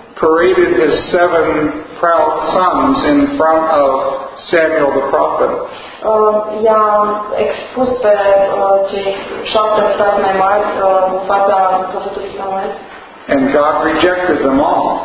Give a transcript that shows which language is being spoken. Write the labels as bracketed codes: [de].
[en] paraded his 7 proud sons in front of Samuel the prophet. [ro] I-a expus pe cei 7 frați mai mari în fața profetului Samuel. [en] And God rejected them all.